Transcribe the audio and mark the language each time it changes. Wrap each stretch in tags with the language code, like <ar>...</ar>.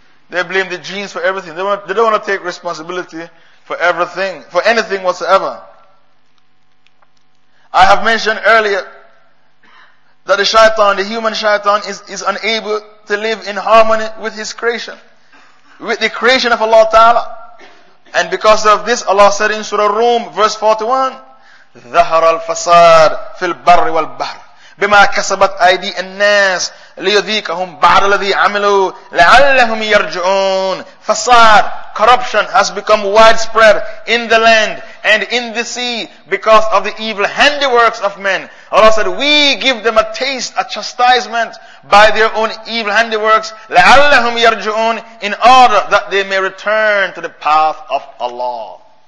<en>They blame the genes for everything. They don't want to take responsibility for everything, for anything whatsoever. I have mentioned earlier that the shaitan, the human shaitan, is unable to live in harmony with his creation, with the creation of Allah Ta'ala. And because of this, Allah said in Surah Rum, verse 41,</en> <ar>ذَهَرَ الْفَسَادِ فِي الْبَرِّ وَالْبَحْرِ بِمَا كَسَبَتْ أَيْدِي النَّاسِ لِيُذِيكَهُمْ بَعْدَ الَّذِي عَمِلُوا لَعَلَّهُمْ يَرْجُعُونَ.</ar> <en>Fasad, corruption has become widespread in the land and in the sea because of the evil handiworks of men. Allah said, we give them a taste, a chastisement by their own evil handiworks,</en> <ar>لَعَلَّهُمْ يَرْجُعُونَ,</ar> <en>in order that they may return to the path of Allah.</en>